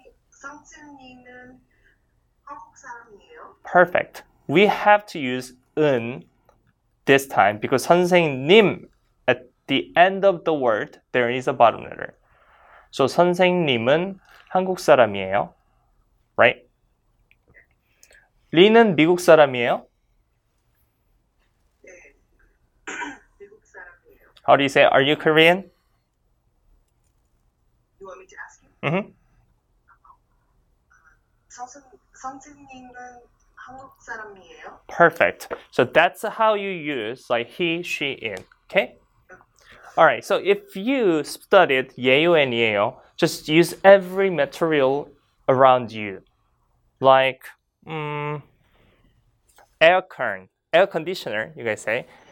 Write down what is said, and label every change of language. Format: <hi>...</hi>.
<ko>선생님은 한국 사람이에요.</ko> <en>Perfect. We have to use 은 this time because 선생님, at the end of the word, there is a bottom letter. So</en> <ko>선생님은 한국 사람이에요,</ko> <en>right?</en> <ko>리는 미국 사람이에요? 미국 사람이에요.</ko> <en>How do you say, are you Korean? You want me to ask you? Mm-hmm.</en> <ko>선생님은 한국 사람이에요?</ko> <en>Perfect. So that's how you use, like, he, she, it. Okay? All right, so if you studied 예요 and 예요, just use every material around you. Like, air conditioner, you guys say.</en>